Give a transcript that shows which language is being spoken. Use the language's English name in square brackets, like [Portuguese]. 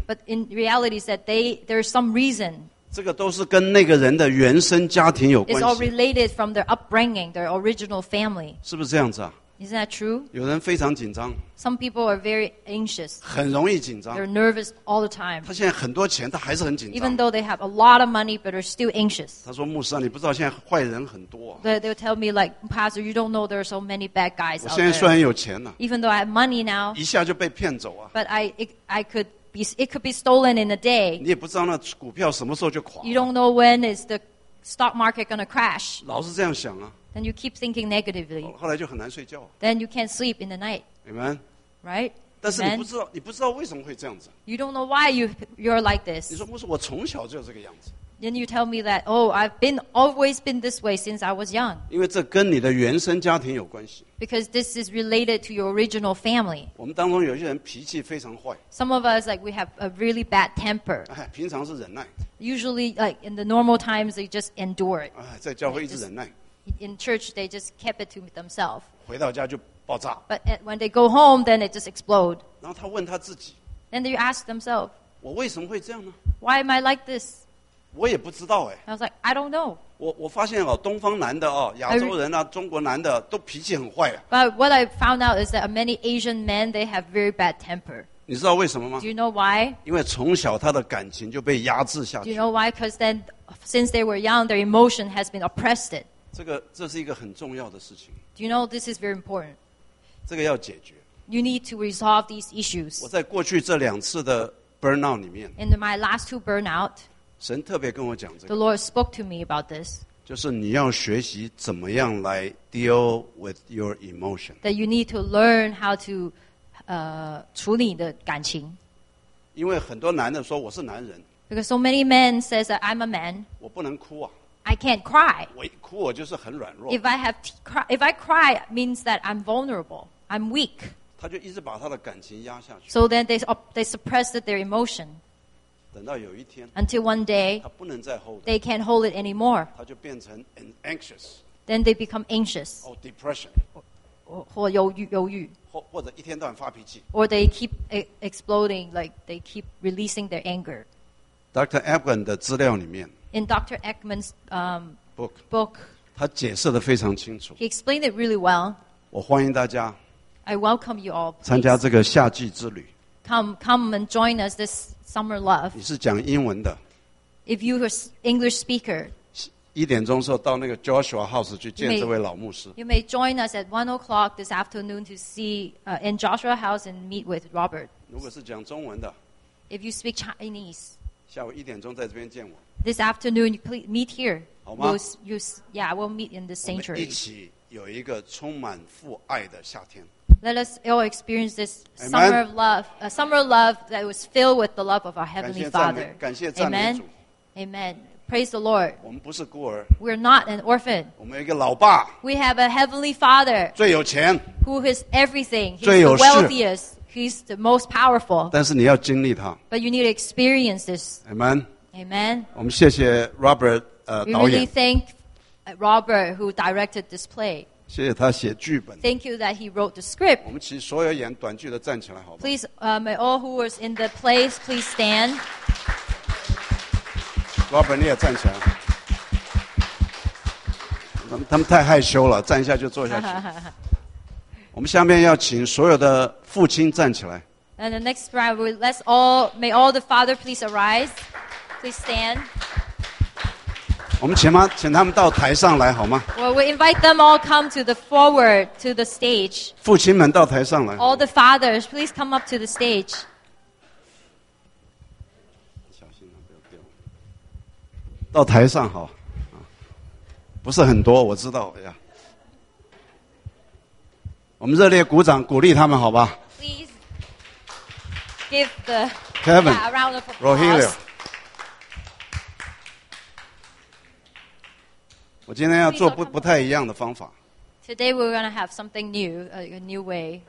[English] But in reality, is that there's some reason. [Chinese] 这个都是跟那个人的原生家庭有关系。 [English] It's all related from their upbringing, their original family. [Chinese] 是不是这样子啊？ [English] Isn't that true? [Chinese] 有人非常紧张。 [English] Some people are very anxious. [Chinese] 很容易紧张。 [English] They're nervous all the time. [Chinese] 他现在很多钱，他还是很紧张。 [English] Even though they have a lot of money, but are still anxious. [Chinese] 他说：“牧师啊，你不知道现在坏人很多。” [English] They'll tell me like, Pastor, you don't know there are so many bad guys out [Chinese] there. 我现在虽然有钱了。 [English] Even though I have money now. [Chinese] 一下就被骗走啊。 [English] But it could be stolen in a day. [Chinese] 你也不知道那股票什么时候就垮了。 [English] You don't know when is the stock market going to crash. [Chinese] 老是这样想啊。 [English] Then you keep thinking negatively. [Chinese] 后来就很难睡觉。 [English] Then you can't sleep in the night. Amen. Right? [Chinese] 但是你不知道为什么会这样子。 [English] You don't know why you're like this. [Chinese] 你说不是我从小就这个样子。 [English] Then you tell me that, oh, I've always been this way since I was young. [Chinese] 因为这跟你的原生家庭有关系。 [English] Because this is related to your original family. [Chinese] 我们当中有些人脾气非常坏。 [English] Some of us, like, we have a really bad temper. [Chinese] 哎，平常是忍耐。 [English] Usually, like, in the normal times, they just endure it. [Chinese] 哎，在教会一直忍耐。 [English] In church, they just kept it to themselves. [Chinese] 回到家就爆炸。 [English] But when they go home, then it just explodes. [Chinese] 然后他问他自己。 [English] Then they ask themselves. [Chinese] 我为什么会这样呢？ [English] Why am I like this? [Chinese] 我也不知道哎。 [English] I was like, I don't know. [Chinese] 我发现哦，东方男的哦，亚洲人啊，中国男的都脾气很坏啊。 [English] But what I found out is that many Asian men, they have very bad temper. [Chinese] 你知道为什么吗？ [English] Do you know why? [Chinese] 因为从小他的感情就被压制下去。 [English] Do you know why? Because then, since they were young, their emotion has been oppressed it. [Chinese] 这是一个很重要的事情。 [English] Do you know this is very important? [Chinese] 这个要解决。 [English] You need to resolve these issues. [Chinese] 我在过去这两次的 burnout 里面。 [English] In my last two burnout, [Chinese] 神特别跟我讲这个。 [English] The Lord spoke to me about this. [Chinese] 就是你要学习怎么样来 [English] deal with your emotion. That you need to learn how to, [Chinese] 处理你的感情。因为很多男的说我是男人。 [English] Because so many men says that I'm a man. [Chinese] 我不能哭啊。 [English] I can't cry. [Chinese] 我哭我就是很软弱。 [English] If I cry means that I'm vulnerable. I'm weak. [Chinese] 他就一直把他的感情压下去。 [English] So then they suppressed their emotion. [Chinese] 等到有一天。 [English] Until one day. [Chinese] 他不能再 hold. [English] They can't hold it anymore. [Chinese] 他就变成 anxious. [English] Then they become anxious. Or depression. [Chinese] 或忧郁。或者一天到晚发脾气。 [English] Or they keep exploding, like they keep releasing their anger. [Chinese] Dr. Ekman 的资料里面。 [English] In Dr. Ekman's book, [Chinese] 他解释得非常清楚。 [English] He explained it really well. [Chinese] 我欢迎大家。 [English] I welcome you all. [Chinese] 参加这个夏季之旅。 [English] Come and join us this summer love. [Chinese] 你是讲英文的。 [English] If you are English speaker. [Chinese] 一点钟的时候到那个 Joshua House 去见这位老牧师。 [English] You may join us at 1 o'clock this afternoon to see in Joshua House and meet with Robert. [Chinese] 如果是讲中文的。 [English] If you speak Chinese. [Chinese] 下午一点钟在这边见我。 [English] This afternoon, you please meet here. [Chinese] 好吗？ [English] We'll meet in the sanctuary. [Chinese] 我们一起。有一个充满父爱的夏天。 [English] Let us all experience this summer of love, a summer of love that was filled with the love of our heavenly Father. [Chinese] 感谢赞美主。 [English] Amen. Praise the Lord. [Chinese] 我们不是孤儿。 [English] We're not an orphan. [Chinese] 我们有一个老爸。 [English] We have a heavenly Father. [Chinese] 最有钱。 [English] Who is everything. He's the wealthiest. He's the most powerful. [Chinese] 但是你要经历他。 [English] But you need to experience this. Amen. Amen. [Chinese] 我们谢谢 Robert, 导演。 [English] We really thank Robert, who directed this play. [Chinese] 谢谢他写剧本。 [English] Thank you that he wrote the script. [Chinese] 我们请所有演短剧的站起来，好吧？ [English] Please, may all who was in the plays please stand. [Chinese] Robert, 你也站起来。他们太害羞了，站一下就坐下去。我们下面要请所有的父亲站起来。 [English] And the next round, may all the father please arise, please stand. [Chinese] 我们请他们到台上来好吗 [English] ？Well, we invite them all come to the forward to the stage. [Chinese] 父亲们到台上来。 [English] All the fathers, please come up to the stage. [Chinese] 小心啊，不要掉。到台上好，不是很多，我知道呀。我们热烈鼓掌鼓励他们，好吧 [English] ？Please give the Kevin a round of applause. Rogelio. [Chinese] 我今天要做不太一样的方法。 [English] Today we're going to have something new, a new way.